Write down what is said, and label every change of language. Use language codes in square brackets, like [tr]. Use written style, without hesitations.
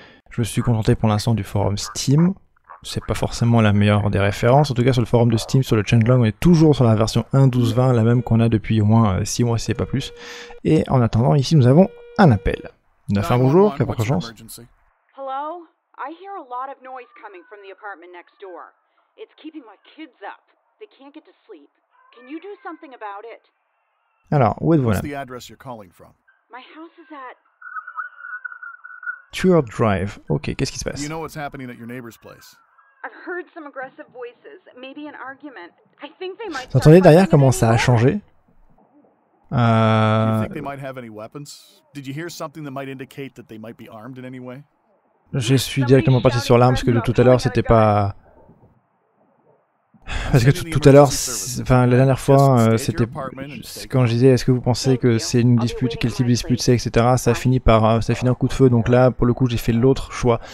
[fr] Je me suis contenté pour l'instant du forum Steam. C'est pas forcément la meilleure des références. En tout cas, sur le forum de Steam, sur le changelog, on est toujours sur la version 1.12.20, la même qu'on a depuis au moins 6 mois, si c'est pas plus. Et en attendant, ici nous avons un appel. 91, bonjour, quelle est votre chance ? [en] I hear a lot of noise coming from the apartment next door. It's keeping my kids up. They can't get to sleep. Can you do something about it? [fr] Alors, où êtes-vous là? [en] What's the address you're calling from? My house is at... Tour Drive. Ok, [fr] qu'est-ce qui se passe? [en] You know what's happening at your neighbor's place? I've heard some aggressive voices. Maybe an argument. I think they might... [fr] T'entendez derrière comment ça a changé? [en] Do you think they might have any weapons? Did you hear something that might indicate that they might be armed in any way? [fr] Je suis directement parti sur l'arme parce que de tout à l'heure c'était pas... Parce que tout à l'heure, enfin la dernière fois, c'était... Quand je disais est-ce que vous pensez que c'est une dispute, quel type de dispute c'est, etc. Ça finit en coup de feu, donc là pour le coup j'ai fait l'autre choix.